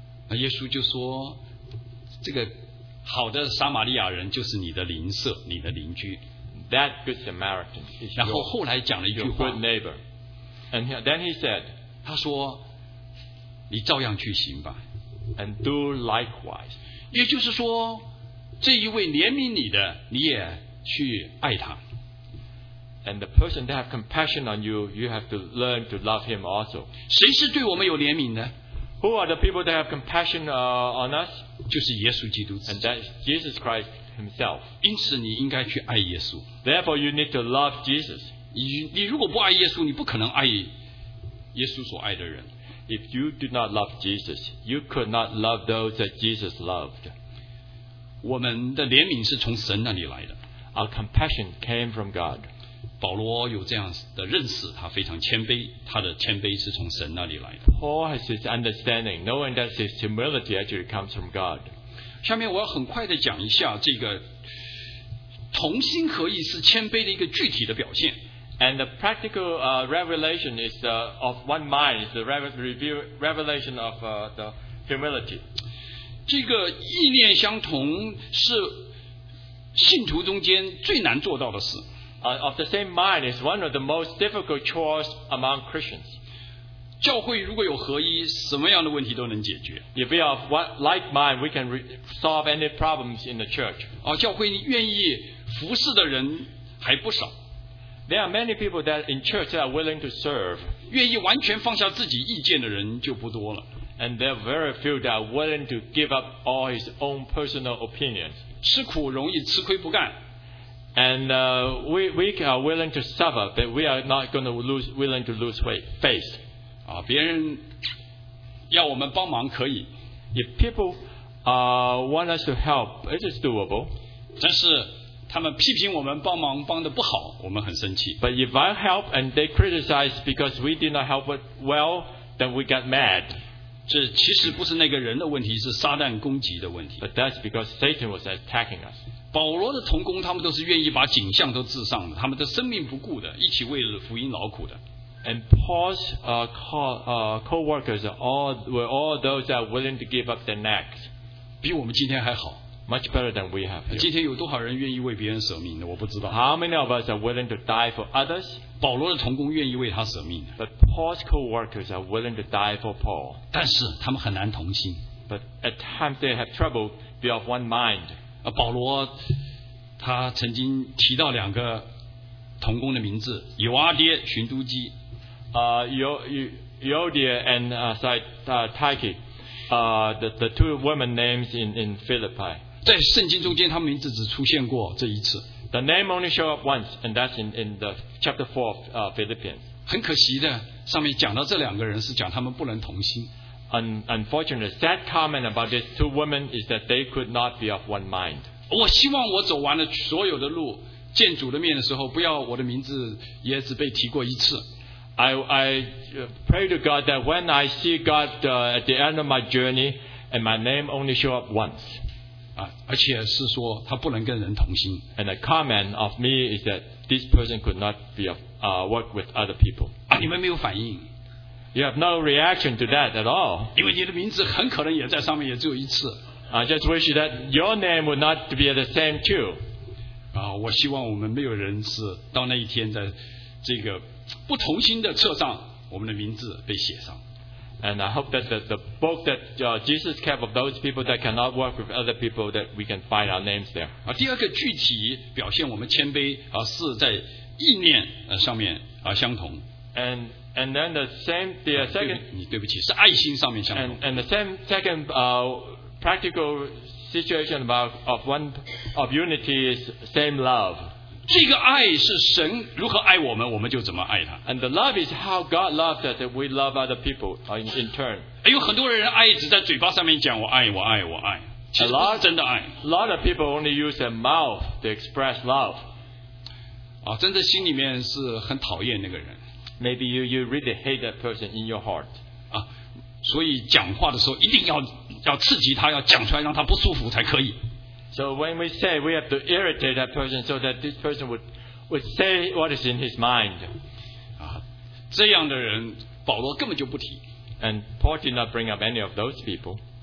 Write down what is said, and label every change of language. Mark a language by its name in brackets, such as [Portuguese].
[Chinese] 那耶稣就说，这个好的撒玛利亚人就是你的邻舍，你的邻居。 [English] That good Samaritan. [Chinese] 然后后来讲了一句话。 [English] Your good neighbor. And then he said, [Chinese] 他说，你照样去行吧。 [English] And do likewise. [Chinese] 也就是说，这一位怜悯你的，你也去爱他。 [English] And the person that have compassion on you, you have to learn to love him also. [Chinese] 谁是对我们有怜悯的？ [English] Who are the people that have compassion on us? [Chinese] 就是耶稣基督。 [English] And that is Jesus Christ himself. [Chinese] 因此你应该去爱耶稣。 [English] Therefore, you need to love Jesus. [Chinese] 你如果不爱耶稣，你不可能爱耶稣所爱的人。 [English] If you do not love Jesus, you could not love those that Jesus loved. [Chinese] 我们的怜悯是从神那里来的。 [English] Our compassion came from God. [Chinese] 保罗有这样的认识，他非常谦卑，他的谦卑是从神那里来的。 [English] Paul has his understanding, knowing that his humility actually comes from God. [Chinese] 下面我要很快的讲一下这个同心合意是谦卑的一个具体的表现。 [English] And the practical revelation is of one mind, the revelation of the humility. [Chinese] 这个意念相同是信徒中间最难做到的事。 [English] Of the same mind is one of the most difficult chores among Christians. [Chinese] 教会如果有合一，什么样的问题都能解决。 [English] If we are of like mind, we can solve any problems in the church. [Chinese] 教会愿意服侍的人还不少。 [English] There are many people that in church that are willing to serve. [Chinese] 愿意完全放下自己意见的人就不多了。 [English] And there are very few that are willing to give up all his own personal opinions. [Chinese] 吃苦容易，吃亏不干。 [English] And we are willing to suffer, but we are not going to willing to lose faith. [Chinese] 别人要我们帮忙可以。 [English] If people want us to help, it is doable. [Chinese] 但是他们批评我们帮忙帮得不好，我们很生气。 [English] But if I help and they criticize because we did not help it well, then we get mad. [Chinese] 这其实不是那个人的问题，是撒旦攻击的问题。 [English] But that's because Satan was attacking us. [Chinese] 保罗的同工他们都是愿意把景象都置上的，他们的生命不顾的，一起为了福音劳苦的。 [English] And Paul's co-workers were all those that are willing to give up their necks. [Chinese] 比我们今天还好。 [English] Much better than we have. [Chinese] 今天有多少人愿意为别人舍命的？我不知道。 [English] How many of us are willing to die for others? [Chinese] 保罗的同工愿意为他舍命的。 [English] But Paul's co-workers are willing to die for Paul. [Chinese] 但是他们很难同心。 [English] But at times they have trouble be of one mind. [Chinese] 保罗他曾经提到两个同工的名字，尤阿爹、寻都基。 [English] Euodia and Tyche. The two women names in Philippi. [Chinese] 在圣经中间，他们名字只出现过这一次。 [English] The name only show up once, and that's in the chapter 4 of Philippians. [Chinese] 很可惜的，上面讲到这两个人是讲他们不能同心。 [English] Unfortunately, sad comment about these two women is that they could not be of one mind. [Chinese] 我希望我走完了所有的路，见主的面的时候，不要我的名字也只被提过一次。 [English] I pray to God that when I see God at the end of my journey, and my name only show up once. [Chinese] 而且是说他不能跟人同心。 [English] And a comment of me is that this person could not be work with other people. [Chinese] 你们没有反应。 [English] You have no reaction to that at all. [Chinese] 因为你的名字很可能也在上面也只有一次。 [English] I just wish that your name would not be the same too. [Chinese] 我希望我们没有人是到那一天在这个。不同心的册上，我们的名字被写上。 [English] And I hope that the book that Jesus kept of those people that cannot work with other people that we can find our names there. [Chinese] 第二个具体表现我们谦卑，是在意念上面相同。 [English] And then the same, the second, [Chinese] 你对不起, 是爱心上面相同, [English] and the same second practical situation about of one of unity is same love. [Chinese] 这个爱是神如何爱我们, 我们就怎么爱他。 [English] And the love is how God loves us, that we love other people in turn. [Chinese] 有很多人爱只在嘴巴上面讲, 我爱, 我爱, 我爱。其实不是真的爱。 [English] A lot of people only use their mouth to express love. [Chinese] 啊, 真的心里面是很讨厌那个人。 [English] Maybe you really hate that person in your heart. [Chinese] 啊, 所以讲话的时候一定要刺激他, 要讲出来让他不舒服才可以。 [English] So when we say, we have to irritate that person so that this person would say what is in his mind. [Chinese] 啊, 这样的人, 保罗根本就不提。 [English] And Paul did not bring up any of those people.